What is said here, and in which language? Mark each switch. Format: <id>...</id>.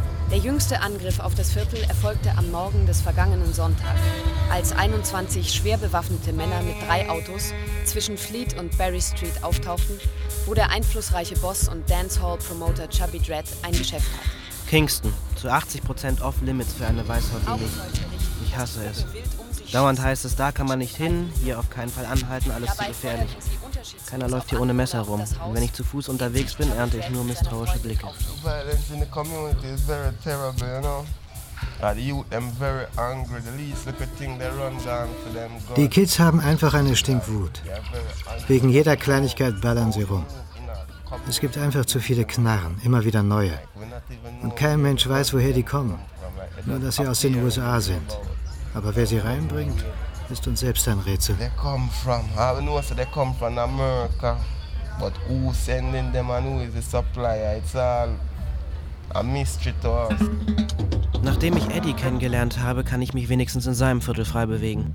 <de>Der jüngste Angriff auf das Viertel erfolgte am Morgen des vergangenen Sonntags, als 21 schwer bewaffnete Männer mit 3 Autos zwischen Fleet und Berry Street auftauchten, wo der einflussreiche Boss und Dancehall-Promoter Chubby Dredd ein Geschäft hat. Kingston, zu 80% off-limits für eine Weißhaut-Lilie. Ich hasse es. Dauernd heißt es, da kann man nicht hin, hier auf keinen Fall anhalten, alles zu gefährlich. Keiner läuft hier ohne Messer rum. Und wenn ich zu Fuß unterwegs bin, ernte ich nur misstrauische Blicke.</de> <en>Violence in the community is very terrible, you know. The youth, them very angry. The least little thing they run down for them.</en> <de>Die Kids haben einfach eine Stinkwut. Wegen jeder Kleinigkeit ballern sie rum. Es gibt einfach zu viele Knarren, immer wieder neue. Und kein Mensch weiß, woher die kommen. Nur, dass sie aus den USA sind. Aber wer sie reinbringt, ist uns selbst ein Rätsel.</de> <en>They come from, I know, so they come from America. But who's sending them and who is the supplier? It's all a mystery to us.</en> <de>Nachdem ich Eddie kennengelernt habe, kann ich mich wenigstens in seinem Viertel frei bewegen.</de>